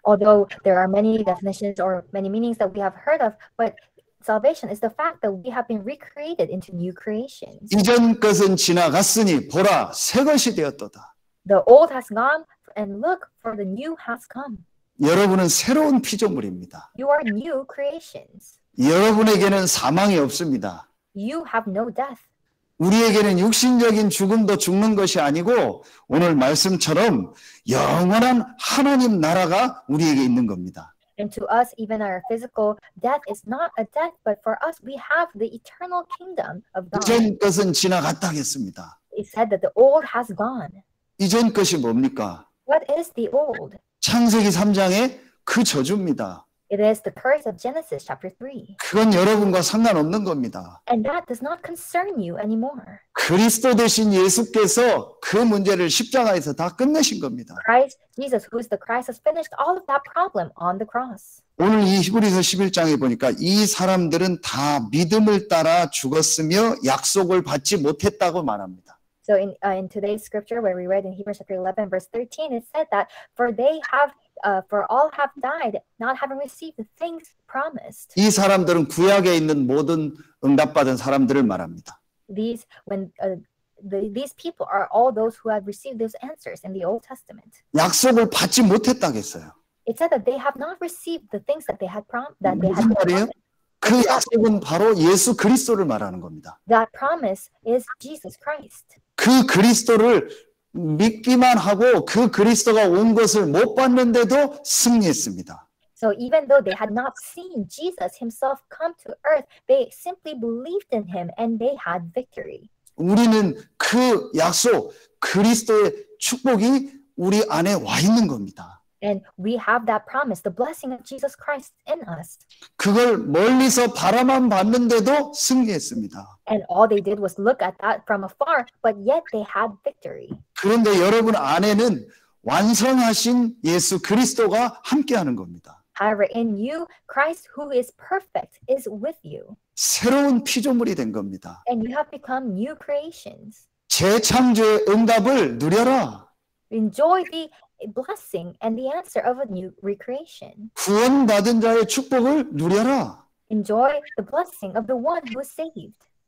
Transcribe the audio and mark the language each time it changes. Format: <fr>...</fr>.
<en>Although there are many definitions or many meanings that we have heard of, but salvation is the fact that we have been recreated into new creations.</en> <ko>이전 것은 지나갔으니 보라 새 것이 되었도다.</ko> <en>The old has gone and look for the new has come.</en> <ko>여러분은 새로운 피조물입니다.</ko> <en>You are new creations.</en> <ko>여러분에게는 사망이 없습니다.</ko> <en>You have no death.</en> <ko>우리에게는 육신적인 죽음도 죽는 것이 아니고 오늘 말씀처럼 영원한 하나님 나라가 우리에게 있는 겁니다.</ko> <en>And to us, even our physical death is not a death, but for us, we have the eternal kingdom of God.</en> <ko>이전 것은 지나갔다 했습니다.</ko> <en>It said that the old has gone.</en> <ko>이전 것이 뭡니까?</ko> <en>What is the old?</en> <ko>창세기 3장의 그 저주입니다.</ko> <en>It is the curse of Genesis chapter 3.</en> <ko>그건 여러분과 상관없는 겁니다.</ko> <en>And that does not concern you anymore.</en> <ko>그리스도 되신 예수께서 그 문제를 십자가에서 다 끝내신 겁니다.</ko> <en>Christ Jesus, who is the Christ, has finished all of that problem on the cross.</en> <ko>오늘 이 히브리서 11장에 보니까 이 사람들은 다 믿음을 따라 죽었으며 약속을 받지 못했다고 말합니다.</ko> <en>So in today's scripture where we read in Hebrews chapter 11 verse 13, it said that for all have died, not having received the things promised.</en> <ko>이 사람들은 구약에 있는 모든 응답받은 사람들을 말합니다.</ko> <en>These people are all those who have received those answers in the Old Testament.</en> <ko>약속을 받지 못했다겠어요.</ko> <en>It said that they have not received the things that they had promised.</en> <ko>말이에요? 그 약속은 바로 예수 그리스도를 말하는 겁니다.</ko> <en>That promise is Jesus Christ.</en> <ko>그 그리스도를 믿기만 하고 그 그리스도가 온 것을 못 봤는데도 승리했습니다.</ko> <en>So even though they had not seen Jesus himself come to earth, they simply believed in him and they had victory.</en> <ko>우리는 그 약속, 그리스도의 축복이 우리 안에 와 있는 겁니다.</ko> <en>And we have that promise, the blessing of Jesus Christ in us.</en> <ko>그걸 멀리서 바라만 봤는데도 승리했습니다.</ko> <en>And all they did was look at that from afar, but yet they had victory.</en> <ko>그런데 여러분 안에는 완성하신 예수 그리스도가 함께하는 겁니다.</ko> <en>However, in you, Christ who is perfect is with you.</en> <ko>새로운 피조물이 된 겁니다.</ko> <en>And you have become new creations.</en> <ko>재창조의 응답을 누려라.</ko> <en>Enjoy the blessing and the answer of a new recreation.</en> <ko>구원받은 자의 축복을 누려라.</ko> <en>Enjoy the blessing of the one who is saved.</en>